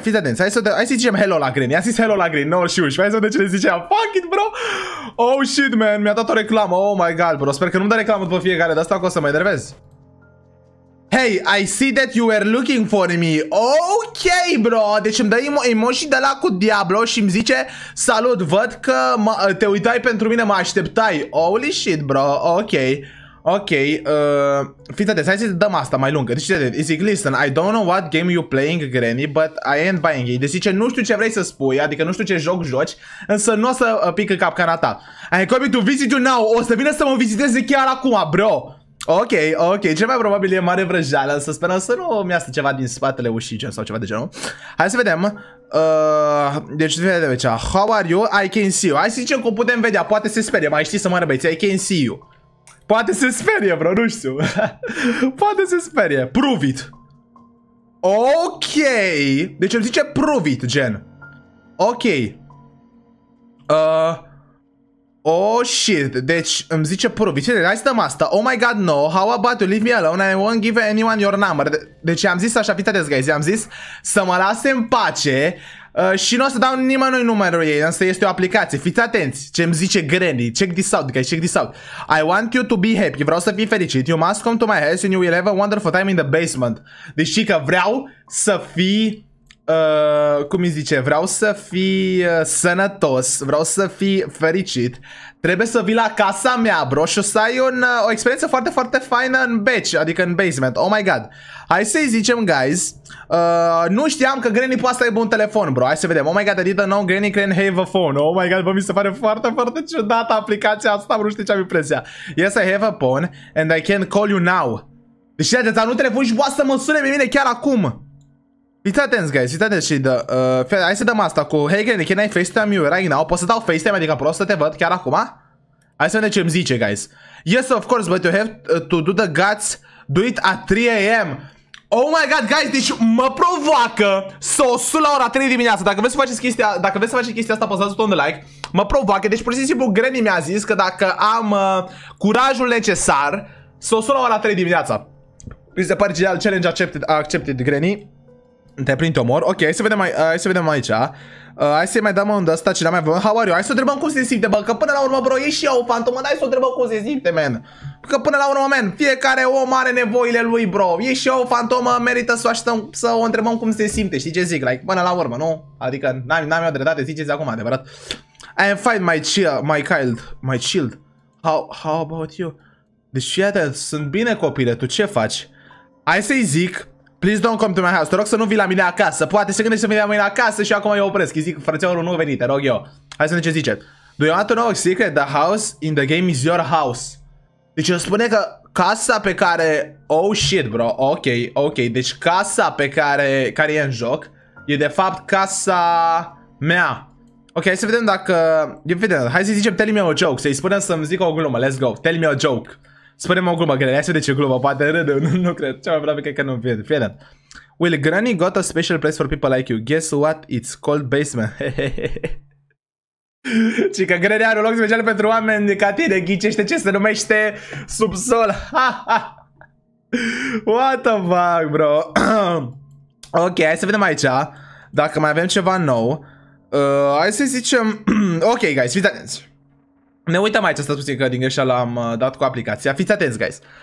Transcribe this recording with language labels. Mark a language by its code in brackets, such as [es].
[ro] Fiți atenți, hai să zicem hello la Granny. A zis hello la Granny, no și uși, hai să vedem ce le zicea. [en] Fuck it, bro. Oh shit, man, [ro] mi-a dat o reclamă, [en] oh my god, bro. [ro] Sper că nu-mi dă reclamă după fiecare, de asta o să mă enervez. [en] Hey, I see that you were looking for me. Ok, bro. [ro] Deci îmi dă emoji de la cu Diablo și îmi zice: salut, văd că te uitai pentru mine, mă așteptai. [en] Holy shit, bro. [ro] Ok. Ok. Fiți atenți, hai să dăm asta mai lungă. Deci, [en] it's like, listen, I don't know what game you playing, Granny, but I ain't buying it. [ro] Deci zice, nu știu ce vrei să spui, adică nu știu ce joc joci, însă nu o să pică capcana ta. [en] I'm coming to visit you now. [ro] O să vină să mă viziteze chiar acum, bro. Ok, ok, cel mai probabil e mare vrăjeală, să sperăm să nu mi iasă ceva din spatele ușii gen, sau ceva de genul. Hai să vedem. Deci, [en] how are you? I can see you. [ro] Hai să zicem că o putem vedea, poate se sperie, mai știi să mă răbăiți, [en] I can see you. [ro] Poate se sperie, bro, nu știu. Poate se sperie, [en] prove it. [ro] Ok, deci îmi zice prove it, gen. Ok. [en] Oh shit, [ro] deci îmi zice prove it. Hai să dăm asta. [en] Oh my god, no. How about you leave me alone? I won't give anyone your number. [ro] Deci am zis așa, fii atent, guys. I-am zis să mă lase în pace și nu o să dau nimănui numărul ei. Însă este o aplicație. Fiți atenți ce îmi zice Granny. [en] Check this out, guys. Check this out. I want you to be happy. [ro] Vreau să fii fericit. [en] You must come to my house and you will have a wonderful time in the basement. [ro] Deci știi că vreau să fii cum îi zice, vreau să fii sănătos, vreau să fii fericit, trebuie să vii la casa mea, bro, și o să ai o experiență foarte, foarte faină în beach, adică în basement, [en] oh my god. [ro] Hai să-i zicem, guys, nu știam că Granny poate să aibă un telefon, bro, hai să vedem. [en] Oh my god, I didn't know Granny can have a phone. [ro] Oh my god, bă, mi se pare foarte, foarte ciudată aplicația asta, bro, nu știu ce am impresia. [en] Yes, I have a phone and I can call you now. [ro] Deci, iată, dar nu telefon și voastră mă sună pe mine chiar acum. Fiți atenți, guys, fiți atenți și dă, hai să dăm asta cu, [en] hey, Granny, can I FaceTime you right now? [ro] Poți să dau FaceTime, adică vreau să te văd chiar acum? Hai să vedem ce îmi zice, guys. [en] Yes, of course, but you have to do the guts, do it at 3 a.m. Oh my god, guys, [ro] deci mă provoacă să o sun la ora 3 dimineața. Dacă vreți să faceți chestia, dacă vreți să faceți chestia asta, apăsați-o de like. Mă provoacă, deci pur și simplu Granny mi-a zis că dacă am curajul necesar, să o sun la ora 3 dimineața. Mi se pare genial, [en] challenge accepted, accepted, Granny. [ro] Te prind omor. Ok, hai să vedem, hai să vedem aici. Hai să-i mai dăm un ăsta, cine mai vă. [en] How are you? [ro] Hai să o întrebăm cum se simte, bă, că până la urmă, bro, e și eu, fantomă, dar hai să o întrebăm cum se simte, man. Că până la urmă, man, fiecare om are nevoile lui, bro. E și eu, fantomă, merită să o așteptăm, să o întrebăm cum se simte, știi ce zic, like, până la urmă, nu? Adică, n-am eu dreptate, ziceți acum, adevărat. [en] I am fine, my child. How about you? [ro] Deci, iată, sunt bine, copile, tu ce faci? Hai să-i zic... [en] Please don't come to my house. [ro] Te rog să nu vii la mine acasă. Poate se gândește să vii la mine acasă și acum eu opresc. Îi zic, frățeorul, nu veni, te rog eu. Hai să vedem ce zice. [en] Do you want to know a secret? The house in the game is your house. [ro] Deci îmi spune că casa pe care... [en] Oh shit, bro. [ro] Ok, ok. Deci casa pe care... care e în joc e de fapt casa mea. Ok, hai să vedem dacă... Evident. Hai să-i zicem, [en] tell me a joke. [ro] Să-i spunem să-mi zic o glumă. [en] Let's go. Tell me a joke. [ro] Spune-mi o glumă, Granny, hai să vedem ce glumă, poate râde, nu cred, cea mai probabil că nu fie, fie de. [en] Will, Granny got a special place for people like you, guess what, it's called basement. [ro] Și că Granny are un loc special pentru oameni ca tine, ghicește ce se numește subsol. [en] What the fuck, bro. [ro] Ok, hai să vedem aici, dacă mai avem ceva nou. Hai să zicem, ok, guys, fiți atenți. Ne uităm aici, stați puțin că din greșeală am dat cu aplicația. Fiți atenți, guys.